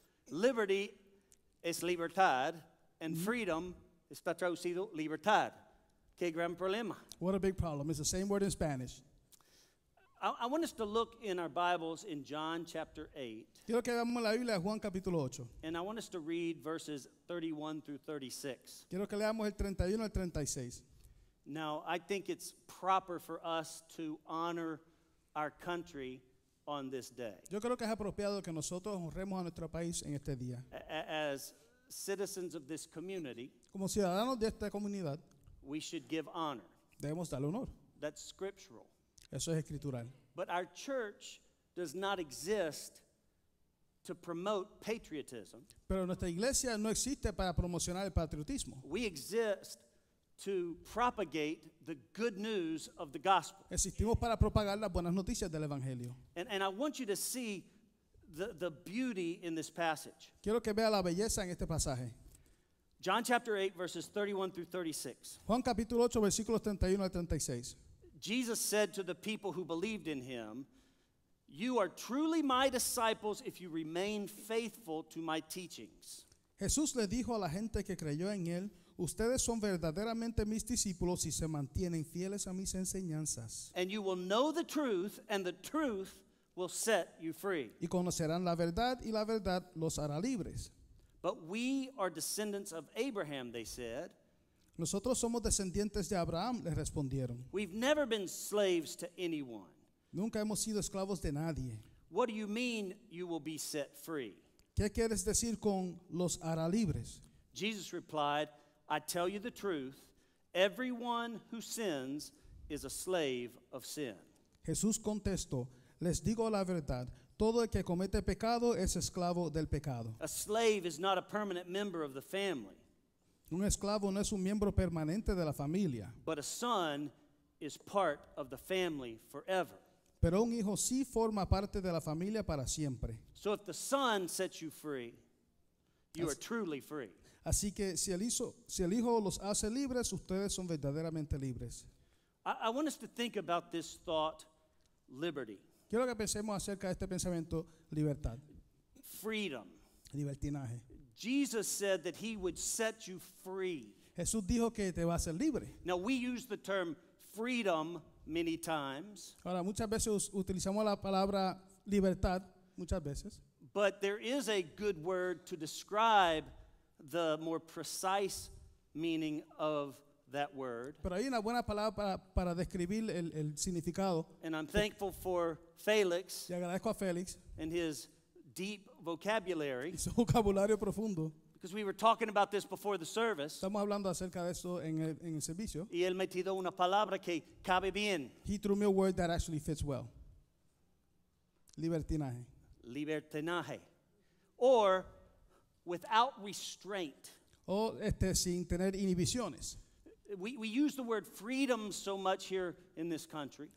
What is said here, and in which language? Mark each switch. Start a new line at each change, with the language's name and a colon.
Spanish: Liberty es libertad,
English: and freedom
Spanish: está traducido libertad. Qué gran problema.
English: What a big problem. It's the same word in Spanish. I want us to look in our Bibles in John chapter 8.
Spanish: Quiero que veamos la Biblia en Juan capítulo 8.
English: And I want us to read verses 31 through 36.
Spanish: Quiero que leamos el 31 al 36.
English: Now, I think it's proper for us to honor our country on this day.
Spanish: Yo creo que es apropiado que nosotros honremos a nuestro país en este día.
English: As citizens of this community,
Spanish: como ciudadanos de esta comunidad,
English: we should give honor.
Spanish: Debemos darle honor.
English: That's scriptural.
Spanish: Eso es escritural.
English: But our church does not exist to promote patriotism.
Spanish: Pero nuestra iglesia no existe para promocionar el patriotismo.
English: We exist to propagate the good news of the gospel.
Spanish: Existimos para propagar las buenas noticias del evangelio.
English: And I want you to see the beauty in this passage.
Spanish: Quiero que vea la belleza en este pasaje.
English: John chapter 8 verses 31 through 36.
Spanish: Juan capítulo 8 versículos 31 al 36.
English: Jesus said to the people who believed in him, "You are truly my disciples if you remain faithful to my teachings."
Spanish: Jesús le dijo a la gente que creyó en él, "Ustedes son verdaderamente mis discípulos si se mantienen fieles a mis enseñanzas."
English: And you will know the truth, and the truth will set you free.
Spanish: Y conocerán la verdad, y la verdad los hará libres.
English: But we are descendants of Abraham, they said.
Spanish: Nosotros somos descendientes de Abraham, le respondieron.
English: We've never been slaves to anyone.
Spanish: Nunca hemos sido esclavos de nadie.
English: What do you mean you will be set free?
Spanish: ¿Qué quieres decir con los hará libres?
English: Jesus replied, "I tell you the truth, everyone who sins is a slave of sin."
Spanish: Jesús contestó, "Les digo la verdad, todo el que comete pecado es esclavo del pecado."
English: A slave is not a permanent member of the family.
Spanish: Un esclavo no es un miembro permanente de la familia.
English: But a son is part of the family forever.
Spanish: Pero un hijo sí forma parte de la familia para siempre.
English: So if the son sets you free, you are truly free.
Spanish: Así que si el hijo los hace libres, ustedes son verdaderamente libres.
English: I want us to think about this thought, liberty.
Spanish: Quiero que pensemos acerca de este pensamiento, libertad.
English: Freedom.
Spanish: Libertinaje.
English: Jesus said that he would set you free.
Spanish: Jesús dijo que te va a hacer libre.
English: Now we use the term freedom many times.
Spanish: Ahora muchas veces utilizamos la palabra libertad muchas veces.
English: But there is a good word to describe the more precise meaning of that word.
Spanish: Pero hay una buena palabra para describir el significado.
English: And I'm thankful for Felix.
Spanish: Y agradezco a Felix.
English: And his deep vocabulary.
Spanish: Su vocabulario profundo.
English: Because we were talking about this before the service.
Spanish: Estamos hablando acerca de esto en el servicio. Y él metió una palabra que cabe bien.
English: He threw me a word that actually fits well.
Spanish: Libertinaje.
English: Libertinaje. Or without restraint.
Spanish: O sin tener inhibiciones.
English: We use the word freedom so much here in this country.